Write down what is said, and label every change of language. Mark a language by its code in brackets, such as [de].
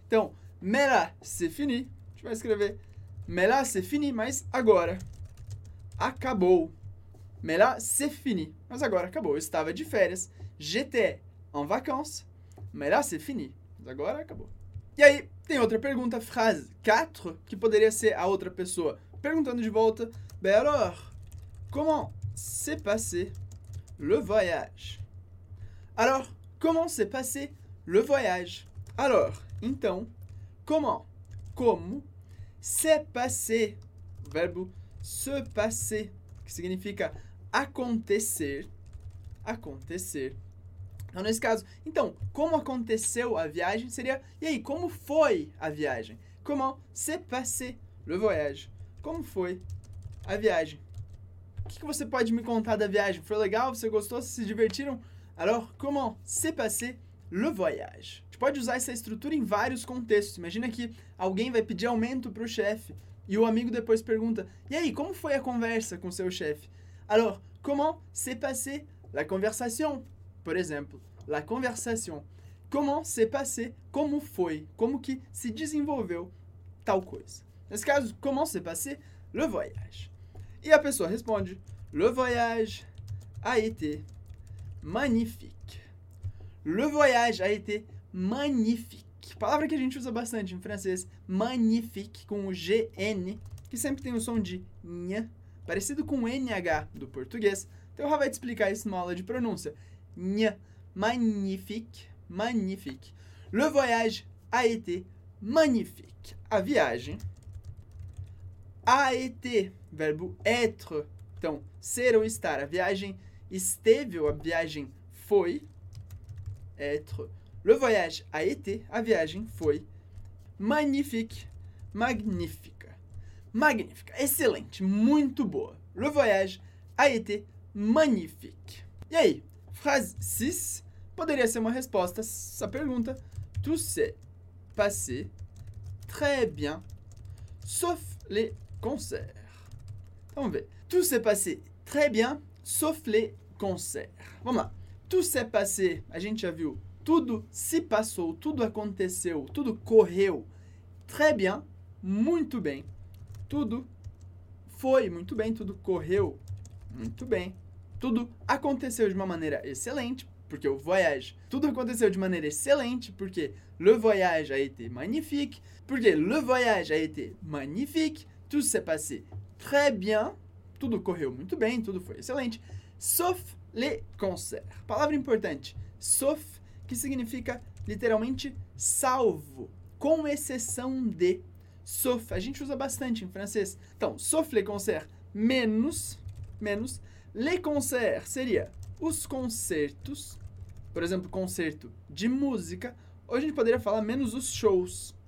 [pt] Então, [fr] mais là, c'est fini. [pt] A gente vai escrever mais là, c'est fini, mas agora. Acabou. [fr] Mais là, c'est fini. [pt] Mas agora acabou. Eu estava de férias. [fr] J'étais en vacances, mais là c'est fini. [pt] Agora acabou. E aí, Tem outra pergunta, frase 4, que poderia ser a outra pessoa perguntando de volta. [fr] Bem, alors, comment s'est passé le voyage? Alors, comment s'est passé le voyage? Alors, então, comment? [pt] Como [fr] s'est passé? [pt] Verbo se passer, que significa acontecer. Acontecer. Então, nesse caso, então, como aconteceu a viagem? Seria, e aí, como foi a viagem? [fr] Comment s'est passé le voyage? [pt] Como foi a viagem? O que você pode me contar da viagem? Foi legal? Você gostou? Vocês se divertiram? [fr] Alors, comment s'est passé le voyage? [pt] A gente pode usar essa estrutura em vários contextos. Imagina que alguém vai pedir aumento pro chefe e o amigo depois pergunta, e aí, como foi a conversa com seu chefe? [fr] Alors, comment s'est passé la conversation? [pt] Por exemplo, [fr] la conversation. Comment s'est passé? [pt] Como foi? Como que se desenvolveu tal coisa? Nesse caso, [fr] comment s'est passé le voyage? [pt] E a pessoa responde, [fr] le voyage a été magnifique. Le voyage a été magnifique. [pt] Palavra que a gente usa bastante em francês, magnifique, com o GN, que sempre tem o som de ny, parecido com o NH do português. Então, o Rafa vai te explicar isso numa aula de pronúncia. [fr] Ny, magnifique, magnifique. Le voyage a été magnifique. [pt] A viagem [fr] a été, [pt] verbo être, então ser ou estar. A viagem esteve ou a viagem foi. Être. [fr] Le voyage a été, [pt] a viagem foi [fr] magnifique, [pt] magnífica. Magnífica, excelente, muito boa. [fr] Le voyage a été magnifique. [pt] E aí? Phrase 6 poderia ser uma resposta a essa pergunta. [fr] Tout s'est passé très bien, sauf les concerts. [pt] Vamos ver. [fr] Tout s'est passé très bien, sauf les concerts. [pt] Vamos lá. [fr] Tout s'est passé, [pt] a gente já viu. Tudo se passou, tudo aconteceu, tudo correu. [fr] Très bien, [pt] muito bem. Tudo foi muito bem, tudo correu muito bem. Tudo aconteceu de uma maneira excelente, porque o voyage. Tudo aconteceu de maneira excelente, porque [fr] le voyage a été magnifique. Porque le voyage a été magnifique. Tout s'est passé très bien. [pt] Tudo correu muito bem, tudo foi excelente. [fr] Sauf les concerts. [pt] Palavra importante. Sauf, que significa literalmente salvo. Com exceção de. Sauf, a gente usa bastante em francês. Então, [fr] sauf les concerts, [pt] menos. [fr] Les concerts [pt] seria os concertos, por exemplo, concerto de música, ou a gente poderia falar menos os shows.